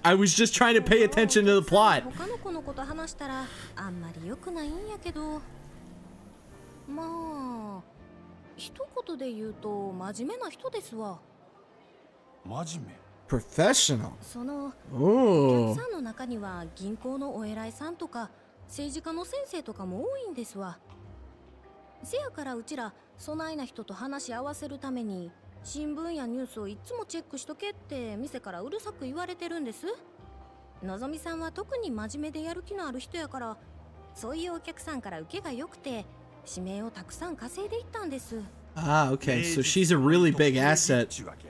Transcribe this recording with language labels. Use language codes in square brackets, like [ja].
[en] I was just trying to pay attention to the plot. [ja] 他の子のこと話したらあんまり良くないんやけど、まあ。一言で言うと真面目な人ですわ。真面目。プロフェッショナル。お客さんの中には銀行のお偉いさんとか政治家の先生とかも多いんですわ。せやからうちらそないな人と話し合わせるために新聞やニュースをいつもチェックしとけって店からうるさく言われてるんです。のぞみさんは特に真面目でやる気のある人やから、そういうお客さんから受けが良くて指名をたくさん稼いでいったんです。 [en] Ah, okay, so she's a really big asset.